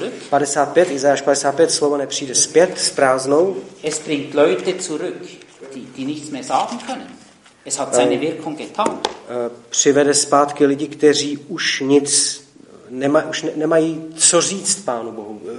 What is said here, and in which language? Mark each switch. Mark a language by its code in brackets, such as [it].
[cs] 55, Izajáš 55, slovo nepřijde zpět s prázdnou. [de] Es bringt Leute zurück, die nichts mehr sagen können. Es hat seine Wirkung getan. [cs] Přivede zpátky lidi, kteří už nic nemají co říct Pánu Bohu.